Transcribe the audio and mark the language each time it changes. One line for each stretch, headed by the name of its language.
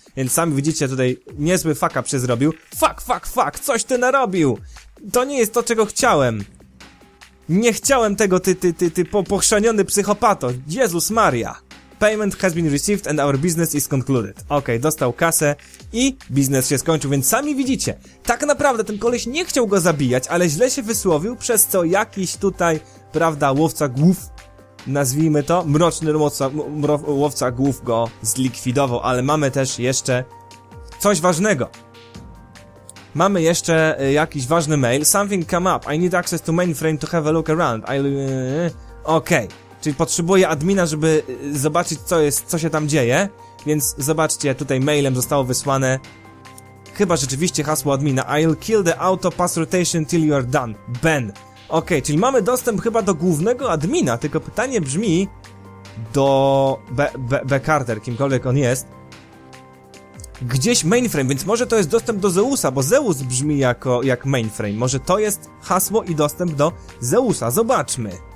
Polish: Więc sami widzicie, tutaj niezły fuck up się zrobił. Fuck, coś ty narobił! To nie jest to, czego chciałem. Nie chciałem tego, ty pochrzaniony psychopato. Jezus Maria.
English: Payment has been received and our business is concluded.
Polish: Okej, dostał kasę i biznes się skończył, więc sami widzicie. Tak naprawdę ten koleś nie chciał go zabijać, ale źle się wysłowił, przez co jakiś tutaj, prawda, łowca głów, nazwijmy to, mroczny łowca głów go zlikwidował. Ale mamy też jeszcze coś ważnego. Mamy jeszcze jakiś ważny mail.
English: Something come up. I need access to mainframe to have a look around. Okej.
Polish: Czyli potrzebuję admina, żeby zobaczyć, co się tam dzieje. Więc zobaczcie, tutaj mailem zostało wysłane chyba rzeczywiście hasło admina.
English: I'll kill the auto pass rotation till you're done. Ben.
Polish: Okej, czyli mamy dostęp chyba do głównego admina, tylko pytanie brzmi do B-Carter, kimkolwiek on jest. Gdzieś mainframe, więc może to jest dostęp do Zeusa, bo Zeus brzmi jak mainframe. Może to jest hasło i dostęp do Zeusa. Zobaczmy.